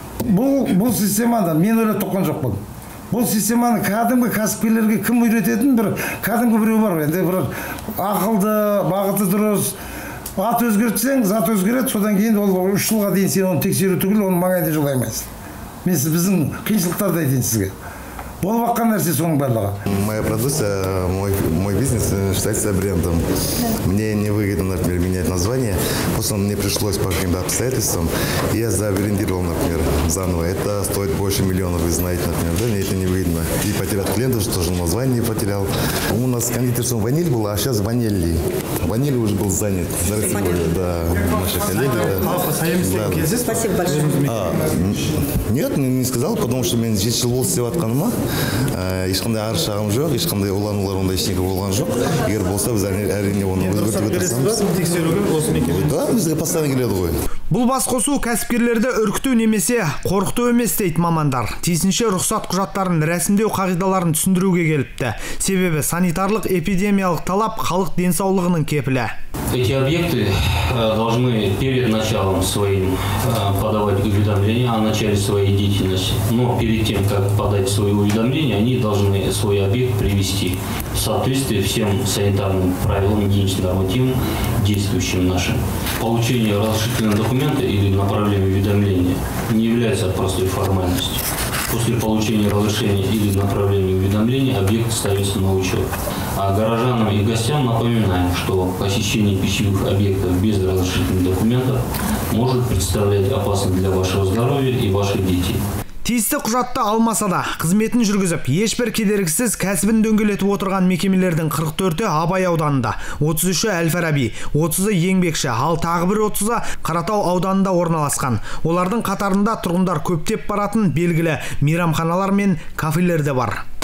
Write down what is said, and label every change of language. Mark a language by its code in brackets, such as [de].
[kk] Бұл системаны мен ойлап тапқан жоқпын. Бұл системаны кәдімгі кәсіпкерлерге кім үйрететін бір кәдімгі біреу бар. Енді бір ақылды, бағыты дұрыс. Ат өзгертсең, зат өзгереді, содан кейін ол үш жылға дейін сен оны тексеру түгіл, оның маңайында жолаймайсың. Мен біздің қиыншылықтарды айтайын сізге. Болып аққан нәрсе соның барлығы. [ru] Моя продукция, мой бизнес считается брендом. Мне невыгодно, например, менять название. Просто мне пришлось по каким-то обстоятельствам. Я забрендировал, например, заново. Это стоит больше миллионов, вы знаете, например, да, мне это невыгодно. И потерял клиентов, что же название не потерял. У нас кондитерством ваниль было, а сейчас ванили. Ваниль уже был занят. Зарегистрировали, да, наши коллеги. Да. Да. Спасибо большое. Нет, не сказал, потому что меня здесь шел волосы в отканома. [kk] Ешқандай арыз шағым жоқ, ешқандай уланулар ондай ештеңе болған жоқ. Егер болса, біз әрине оны өзгертіп отырсамыз. Да, бізге постоянно келеді ғой. Бұл басқосу кәсіпкерлерді үркіту немесе қорқыту емес дейді мамандар. Тиісінше рұқсат құжаттарын рәсімдеу қағидаларын түсіндіруге келіпті. Себебі санитарлық эпидемиялық талап халық денсаулығының кепілі. [ru] Эти объекты должны перед началом своим подавать уведомления о начале своей деятельности. Но перед тем, как подать свои уведомления, они должны свой объект привести в соответствие всем санитарным правилам, гигиенично-нормативам, действующим нашим. Получение разрешительного документа или направление уведомления не является простой формальностью. После получения разрешения или направления уведомления объект ставится на учет. А горожанам и гостям напоминаем, что посещение пищевых объектов без разрешительных документов может представлять опасность для вашего здоровья и ваших детей. [kk] Тиісті құжатты алмаса да, қызметін жүргізіп, ешбір кедергісіз кәсібін дөңгелетіп отырған мекемелердің 44-і Абай ауданында, 33-і Әл-Фараби, 30-ы Еңбекші, ал тағы бір 30-ы Қаратау ауданында орналасқан. Олардың қатарында тұрғындар көптеп баратын белгілі мейрамханалар мен кафелер де бар.